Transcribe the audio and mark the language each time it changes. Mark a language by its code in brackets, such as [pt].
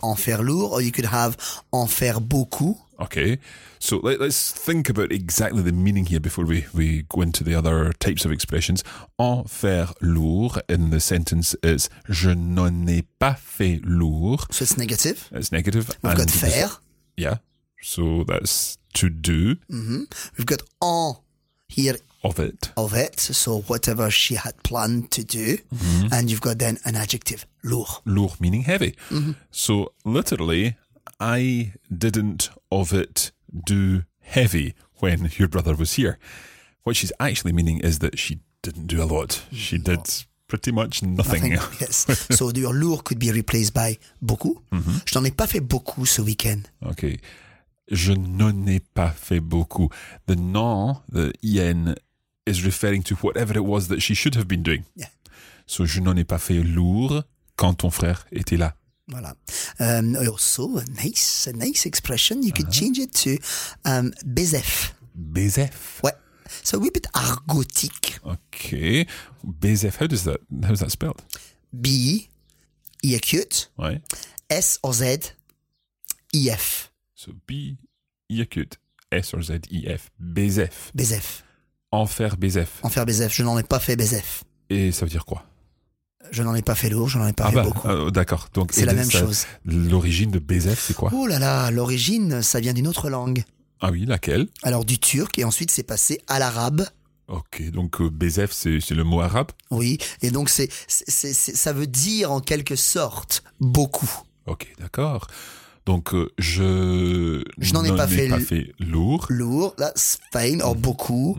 [fr] En faire lourd, [en] or you could have [fr] en faire beaucoup. [en] Okay, so let's think about exactly the meaning here before we go into the other types of expressions. [fr] En faire lourd [en] in the sentence is [fr] je n'en ai pas fait lourd. [en] So it's negative. It's negative. We've got faire. Yeah, so that's to do. Mm-hmm. We've got en here. Of it. So whatever she had planned to do. Mm-hmm. And you've got then an adjective, lourd. Lourd meaning heavy. Mm-hmm. So literally, I didn't of it do heavy when your brother was here. What she's actually meaning is that she didn't do a lot. She did pretty much nothing. Yes. So your lourd could be replaced by beaucoup. Mm-hmm. [fr] Je n'en ai pas fait beaucoup ce week-end. [en] Okay. [fr] Je n'en ai pas fait beaucoup. [en] The non, the ien, is referring to whatever it was that she should have been doing. Yeah. [fr] So, je n'en ai pas fait lourd quand ton frère était là. Voilà. [en] Also, a nice expression. You could change it to bezef. [fr] Bezef. Ouais. [en] So, a wee bit argotique. Okay. Bezef, how is that spelled? B, I acute. [fr] Ouais. [en] S, O, Z, I, F. So B, I acute, S or Z, I, F, Bezef. [fr] Bezef. En faire Bezef. En faire Bezef, je n'en ai pas fait Bezef. Et ça veut dire quoi? Je n'en ai pas fait lourd, je n'en ai pas fait beaucoup. D'accord. Donc, c'est la même chose. L'origine de Bezef, c'est quoi? Oh là là, l'origine, ça vient d'une autre langue. Ah oui, laquelle? Alors du turc, et ensuite c'est passé à l'arabe. Ok, donc Bezef, c'est le mot arabe? Oui, et donc c'est ça veut dire en quelque sorte beaucoup. Ok, d'accord. Donc, je n'en ai pas fait, lourd. [en] Lourd, that's fine, or beaucoup.